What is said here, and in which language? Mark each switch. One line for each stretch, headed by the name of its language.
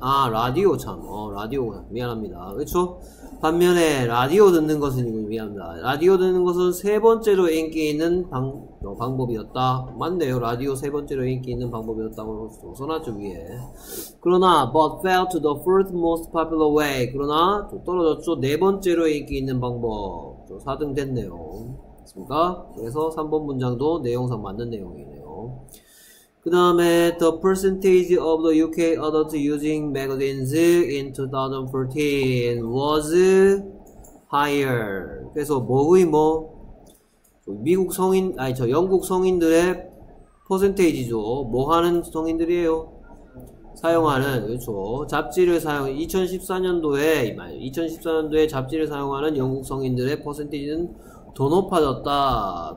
Korean: 라디오 참. 라디오 미안합니다. 그렇죠? 반면에 라디오 듣는 것은 미안합니다. 라디오 듣는 것은 세 번째로 인기 있는 방법이었다. 맞네요. 라디오 세 번째로 인기 있는 방법이었다고 써놨죠, 위에. 그러나
English: but fell to the first most popular way.
Korean: 그러나 떨어졌죠. 네 번째로 인기 있는 방법. 4등 됐네요. 됐습니까? 그래서 3번 문장도 내용상 맞는 내용이네요.
English: 그 다음에 the percentage of the UK adults using magazines in 2014 was higher.
Korean: 그래서 뭐의 뭐 미국 성인 아니 저 영국 성인들의 퍼센테이지죠. 뭐 하는 성인들이에요? 사용하는, 그렇죠. 잡지를 사용 2014년도에 잡지를 사용하는 영국 성인들의 퍼센테이지는 더 높아졌다.